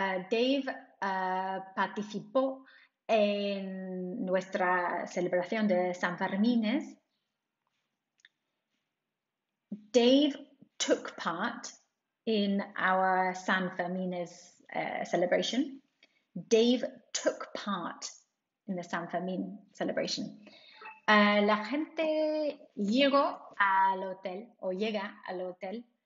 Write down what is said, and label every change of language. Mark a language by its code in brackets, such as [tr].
[es] Dave participó en nuestra celebración de San Fermín. [en] Dave took part in our San Fermín celebration. Dave took part in the San Fermín celebration. [es] La gente llegó al hotel o llega al hotel.